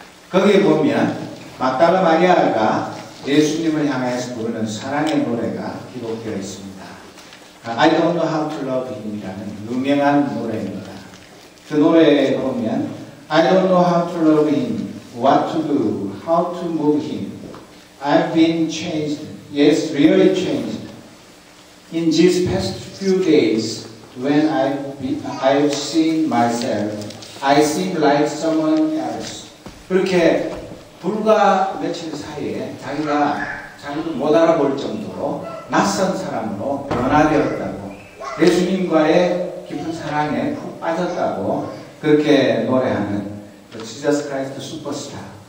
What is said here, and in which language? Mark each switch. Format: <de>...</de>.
<ko>거기에 보면 막달라 마리아가 예수님을 향해서 부르는 사랑의 노래가 기록되어 있습니다.</ko> <en>I don't know how to love him이라는</en> <ko>유명한 노래입니다. 그 노래에 보면</ko> <en>I don't know how to love him, what to do, how to move him. I've been changed, yes, really changed. In these past few days, when I've seen myself, I seem like someone else.</en> <ko>그렇게 불과 며칠 사이에 자기도 못 알아볼 정도로 낯선 사람으로 변화되었다고, 예수님과의 깊은 사랑에 푹 빠졌다고 그렇게 노래하는 지저스 크라이스트 슈퍼스타.</ko>